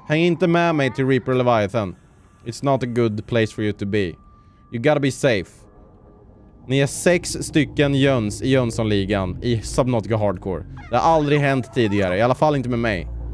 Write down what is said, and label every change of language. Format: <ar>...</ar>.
<sv>Häng inte med mig till Reaper Leviathan.</sv> <en>It's not a good place for you to be. You gotta be safe.</en> <sv>Ni är sex stycken jöns i Jönssonligan i Subnautica Hardcore. Det har aldrig hänt tidigare, i alla fall inte med mig.</sv>